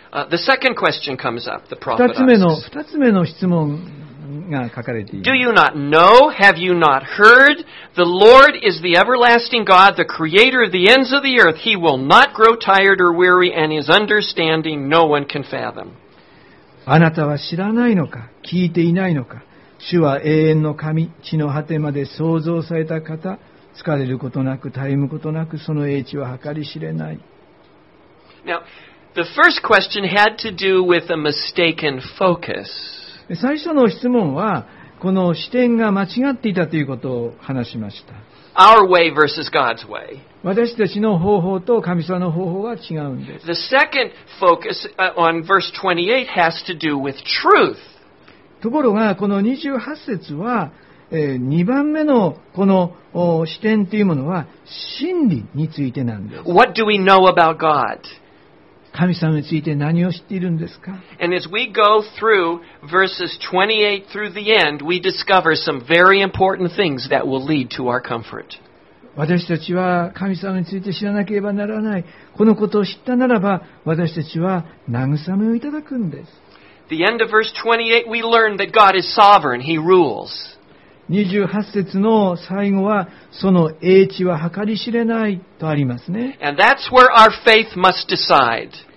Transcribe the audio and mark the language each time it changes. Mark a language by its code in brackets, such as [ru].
[en] The second question comes up, the prophet asks. [ja] 二つ目の質問が書かれています。 [en] Do you not know? Have you not heard? The Lord is the everlasting God, the creator of the ends of the earth. He will not grow tired or weary, and his understanding no one can fathom. [ja] あなたは知らないのか、聞いていないのか。主は永遠の神、地の果てまで創造された方。疲れることなく、絶えむことなく、その英知は計り知れない。 [en] Now, the first question had to do with a mistaken focus. [ja] 最初の質問は、この視点が間違っていたということを話しました。 [en] Our way versus God's way. [ja] 私たちの方法と神様の方法は違うんです。 [en] The second focus on verse 28 has to do with truth. [ja] ところがこの28節は、2番目のこの視点というものは真理についてなんです。 [en] What do we know about God? [ja] 神様について何を知っているんですか? [en] And as we go through verses 28 through the end, we discover some very important things that will lead to our comfort. [ja] 私たちは神様について知らなければならない。このことを知ったならば、私たちは慰めをいただくんです。 [en] The end of verse 28, we learn that God is sovereign. He rules. [ja] 28節の最後は、その英知は計り知れないとありますね。 [en] And that's where our faith must decide.